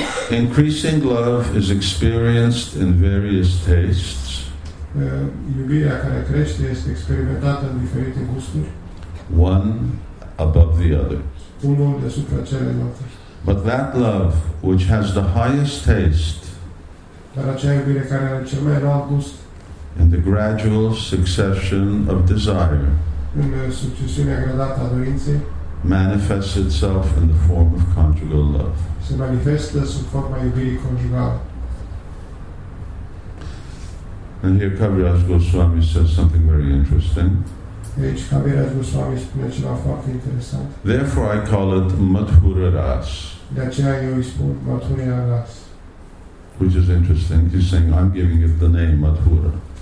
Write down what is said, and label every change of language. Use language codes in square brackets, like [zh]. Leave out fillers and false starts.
[en] Increasing love is experienced in various tastes. [ro] Iubirea care crește este experimentată în diferite gusturi. [en] One above the other. [ro] Unul deasupra celelalte. [en] But that love which has the highest taste, [ro] dar acea iubire care are cel mai înalt gust, [en] and the gradual succession of desire, [ro] în succesiunea gradată a dorinței, [en] manifests itself in the form of conjugal love. [ro] Se manifestă sub forma iubirii conjugale. [en] And here Kaviraj Goswami says something very interesting. [ro] Aici Kaviraj Goswami spune ceva foarte interesant. [en] Therefore I call it Madhura Ras. [ro] De aceea eu îi spun Madhura Ras. [en] Which is interesting. He's saying, I'm giving it the name Madhura.